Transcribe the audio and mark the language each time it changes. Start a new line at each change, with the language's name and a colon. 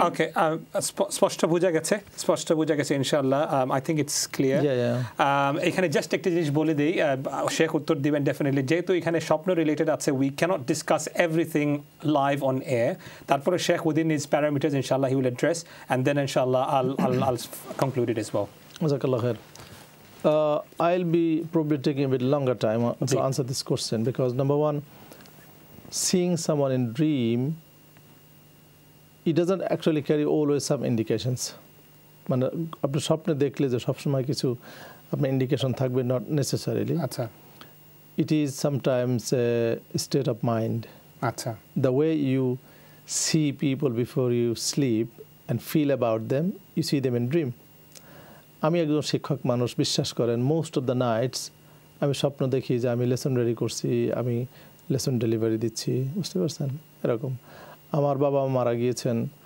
Bangla: ইট ওকে স্পষ্ট বোঝা গেছে ইনশাআল্লাহ
English: I think it's clear
Bangla: এখানে জাস্ট একটা জিনিস বলে দেই শেখ উত্তর দিবেন ডেফিনেটলি যেহেতু এখানে স্বপ্ন রিলেটেড আছে
English: we can't discuss everything live on air
Bangla: তারপরে শেখ উইদিন ইজ প্যারামিটার্স ইনশাআল্লাহ
English: he will address
Bangla: and then ইনশাআল্লাহ আল conclude it as well
Arabic: জাযাকাল্লাহ খায়র
English: I'll be probably taking a bit longer time to answer this question because number one, seeing someone in dream, it doesn't actually carry always some indications.
Bangla: মানে আপনি স্বপ্নে দেখলে যে সবসময় কিছু আপনার indication থাকবে
English: not necessarily.
Bangla: আচ্ছা.
English: It is sometimes a state of mind.
Bangla: আচ্ছা.
English: The way you see people before you sleep and feel about them, you see them in dream.
Bangla: আমি একজন শিক্ষক মানুষ বিশ্বাস করেন
English: most of the nights
Bangla: আমি স্বপ্ন দেখি যে আমি লেসন রেডি করছি আমি লেসন ডেলিভারি দিচ্ছি বুঝতে পারছেন এরকম আমার বাবা মারা গিয়েছেন